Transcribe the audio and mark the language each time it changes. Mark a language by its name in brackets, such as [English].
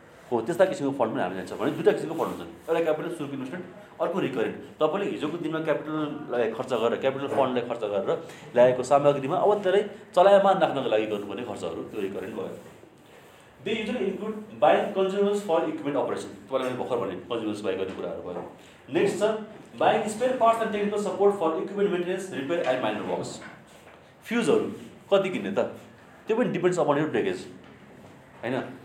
[Nepali] हो त्यस्ता किसिमको फन्ड पनि हामीले जान्छ भने दुइटा किसिमको फन्ड हुन्छ, एउटा क्यापिटल सुरु इन्भेस्टमेन्ट, अर्को रिकरेन्ट। तपाईँले हिजोको दिनमा क्यापिटललाई खर्च गरेर क्यापिटल फन्डलाई खर्च गरेर ल्याएको सामग्रीमा अब त्यसलाई चलायमान राख्नको लागि गर्नुपर्ने खर्चहरू, त्यो रिकरेन्ट भयो। [English] they usually include buying consumers for equipment operation, [Nepali] तपाईँले मैले भर्खर भने कन्ज्युमर्स बाई गर्ने कुराहरू भयो। [English] Next छ buying spare parts and technical support for equipment maintenance repair and minor works. [Nepali] फ्युजहरू कति किन्ने त, त्यो पनि डिपेन्ड्स अपन यर ब्रेकेज होइन।